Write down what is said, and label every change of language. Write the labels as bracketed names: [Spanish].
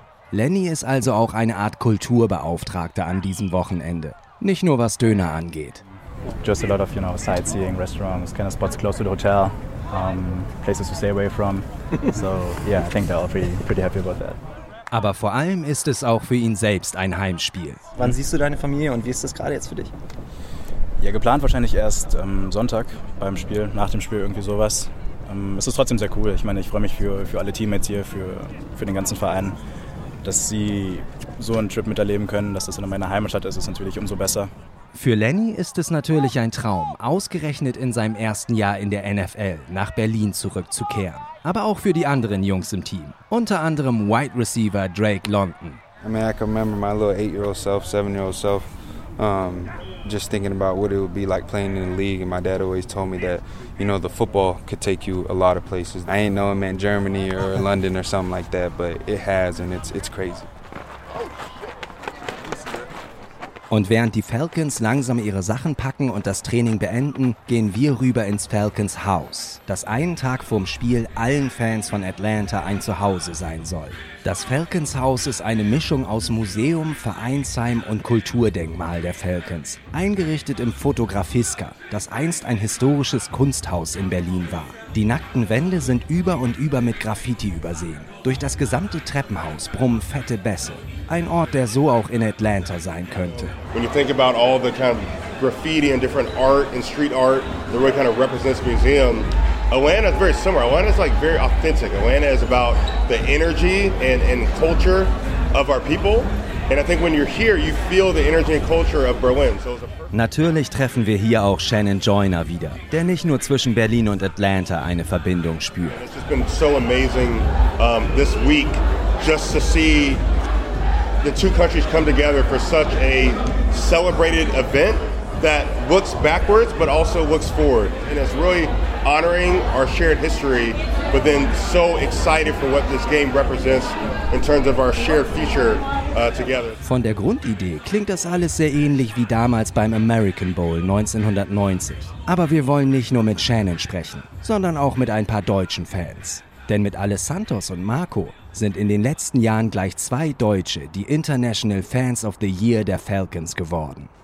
[German] Lenny ist also auch eine Art Kulturbeauftragter an diesem Wochenende. Nicht nur was Döner angeht. [English] Just a lot of, you know, sightseeing, restaurants, kind of spots close to the hotel, places to stay away from. So yeah, I think they're all pretty happy about that. [German] Aber vor allem ist es auch für ihn selbst ein Heimspiel. Wann siehst du deine Familie und wie ist das gerade jetzt für dich? Ja, geplant wahrscheinlich erst Sonntag beim Spiel, nach dem Spiel irgendwie sowas. Es ist trotzdem sehr cool. Ich meine, ich freue mich für alle Teammates hier, für den ganzen Verein, dass sie so einen Trip miterleben können, dass das in meiner Heimatstadt ist, ist natürlich umso besser. Für Lenny ist es natürlich ein Traum, ausgerechnet in seinem ersten Jahr in der NFL nach Berlin zurückzukehren. Aber auch für die anderen Jungs im Team, unter anderem Wide Receiver Drake London. [English] I mean, I can remember my little 8-year-old self, 7-year-old self, just thinking about what it would be like playing in the league. And my dad always told me that, you know, the football could take you a lot of places. I ain't know it meant Germany or London or something like that, but it has, and it's crazy. [German] Und während die Falcons langsam ihre Sachen packen und das Training beenden, gehen wir rüber ins Falcons House, das einen Tag vorm Spiel allen Fans von Atlanta ein Zuhause sein soll. Das Falcons House ist eine Mischung aus Museum, Vereinsheim und Kulturdenkmal der Falcons, eingerichtet im Fotografiska, das einst ein historisches Kunsthaus in Berlin war. Die nackten Wände sind über und über mit Graffiti übersehen. Durch das gesamte Treppenhaus brummen fette Bässe. Ein Ort, der so auch in Atlanta sein könnte. [English] When you think about all the kind of graffiti and different art and street art that really kind of represents museum, Atlanta is very similar. Atlanta is like very authentic. Atlanta is about the energy and culture of our people. And I think when you're here, you feel the energy and culture of Berlin. So it's a [German] Natürlich treffen wir hier auch Shannon Joyner wieder, der nicht nur zwischen Berlin und Atlanta eine Verbindung spürt. [English] It's just been so amazing this week just to see the two countries come together for such a celebrated event that looks backwards but also looks forward. And it's really honoring our shared history, but then so excited for what this game represents in terms of our shared future together. [German] Von der Grundidee klingt das alles sehr ähnlich wie damals beim American Bowl 1990. Aber wir wollen nicht nur mit Shannon sprechen, sondern auch mit ein paar deutschen Fans. Denn mit Alex Santos und Marco sind in den letzten Jahren gleich zwei Deutsche die International Fans of the Year der Falcons geworden.